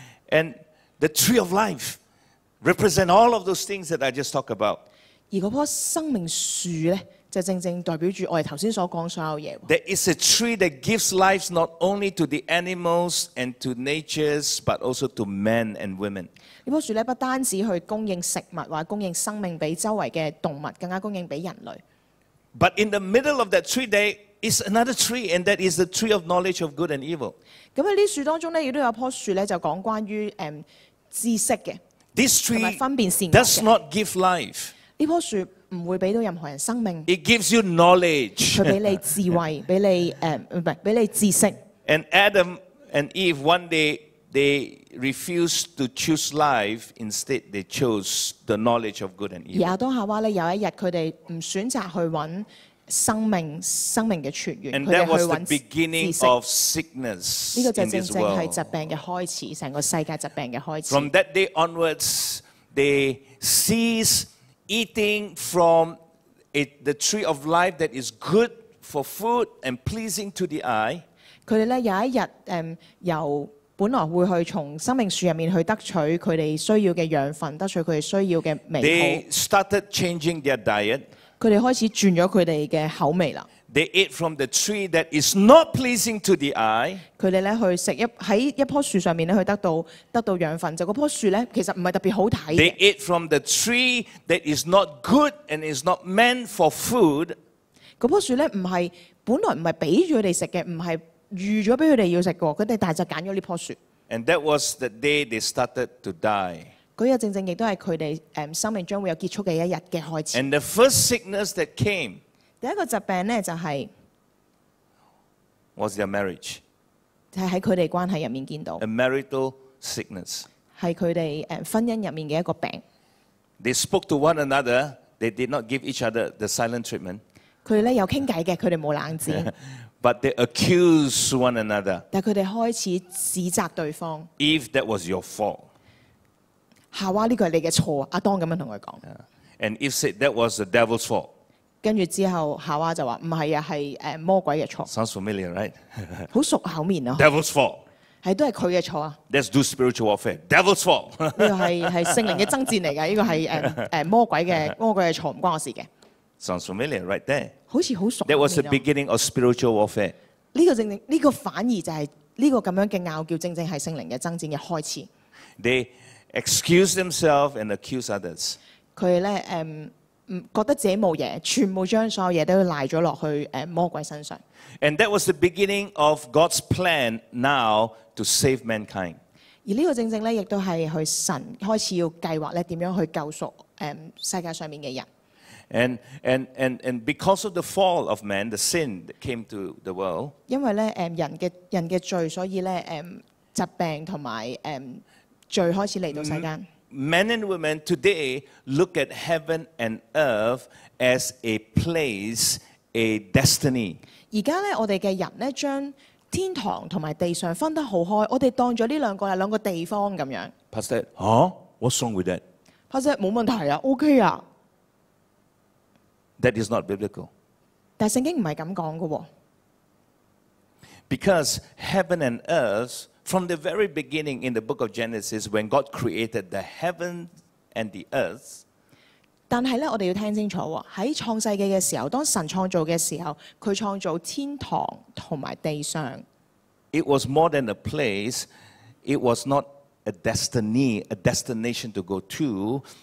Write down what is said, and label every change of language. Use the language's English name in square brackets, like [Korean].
[English] And the tree of life represent all of those things that I just talked about. [Cantonese] 而嗰棵生命樹咧。就正正代表住我哋頭先所講所有嘢。 [English] There is a tree that gives life not only to the animals and to natures, but also to men and women. [Cantonese] 呢棵樹咧不單止去供應食物或者供應生命俾周圍嘅動物，更加供應俾人類。 [English] But in the middle of that tree, there is another tree, and that is the tree of knowledge of good and evil. [Cantonese] 咁喺呢樹當中咧，亦都有棵樹咧就講關於知識嘅。 [English] This tree does not give life. [Cantonese] 呢棵樹唔會俾到任何人生命。 [English] It gives you knowledge. [Cantonese] 佢俾你智慧，俾你唔係俾你知識。 [English] And Adam and Eve one day they refused to choose life. Instead, they chose the knowledge of good and evil. [Cantonese] 而亞當夏娃咧有一日佢哋唔選擇去揾生命，生命嘅泉源。 [English] And that was the beginning of sickness in this world. [Cantonese] 呢個就正正係疾病嘅開始，成個世界疾病嘅開始。 [English] From that day onwards, they ceased. Eating from the tree of life that is good for food and pleasing to the eye. [Cantonese] 佢哋咧有一日由本來會去從生命樹入面去得取佢哋需要嘅養分，得取佢哋需要嘅味道。 [English] They started changing their diet. [Cantonese] 佢哋開始轉咗佢哋嘅口味啦。 [English] They ate from the tree that is not pleasing to the eye. [Cantonese] 佢哋咧去食一棵樹上面咧去得到養分，就嗰棵樹咧其實唔係特別好睇。 [English] They ate from the tree that is not good and is not meant for food. [Cantonese] 嗰棵樹咧唔係本來唔係俾佢哋食嘅，唔係預咗俾佢哋要食嘅，佢哋但係就揀咗呢棵樹。 [English] And that was the day they started to die. [Cantonese] 嗰日正正亦都係佢哋生命將會有結束嘅一日嘅開始。 [English] And the first sickness that came. [Cantonese] 第一個疾病咧就係 [English] ，was their marriage， [Cantonese] 就係喺佢哋關係入面見到 [English] ，a marital sickness， [Cantonese] 係佢哋婚姻入面嘅一個病。 [English] They spoke to one another. They did not give each other the silent treatment. [Cantonese] 佢哋咧有傾偈嘅，佢哋冇冷戰。 [English] But they accuse one another. [Cantonese] 但係佢哋開始指責對方。 [English] If that was your fault， [Cantonese] 夏娃呢個係你嘅錯，阿當咁樣同佢講。 [English] And if said that was the devil's fault。 [Cantonese] 跟住之後，夏娃就話：唔係啊，係魔鬼嘅錯。 [English] Sounds familiar, right? [Cantonese] 好熟口面啊。 [English] Devil's fault。 [Cantonese] 係都係佢嘅錯啊。 [English] Let's do spiritual warfare. Devil's fault。 [Cantonese] 呢個係聖靈嘅爭戰嚟嘅，呢個係魔鬼嘅錯，唔關我事嘅。 [English] Sounds familiar, right there? [Cantonese] 好似好熟。 [English] That was the beginning of spiritual warfare。 [Cantonese] 呢個正正呢個反而就係呢個咁樣嘅拗叫，正正係聖靈嘅爭戰嘅開始。 [English] They excuse themselves and accuse others。 [Cantonese] 佢咧覺得自己冇嘢，全部將所有嘢都賴咗落去魔鬼身上。 [English] And that was the beginning of God's plan now to save mankind. [Cantonese] 而呢個正正咧，亦都係去神開始要計劃咧，點樣去救贖世界上面嘅人。 [English] And because of the fall of man, the sin that came to the world. [Cantonese] 因為咧人嘅罪，所以咧疾病同埋罪開始嚟到世間。 [English] Men and women today look at heaven and earth as a place, a destiny. [Cantonese] 而家咧，我哋嘅人咧，将天堂同埋地上分得好开，我哋当咗呢两个系两个地方咁样。 [English] Pastor, what's wrong with that? [Cantonese] Pastor, 冇问题啊 ，OK 啊。 [English] That is not biblical. [Cantonese] 但圣经唔系咁讲噶。 [English] Because heaven and earth. From the very beginning in the book of Genesis, when God created the heaven and the earth, [Cantonese] 但系咧，我哋要听清楚喎。喺创世纪嘅时候，当神创造嘅时候，佢创造天堂同埋地上。 [English] It was more than a place. It was not a destiny, a destination to go to.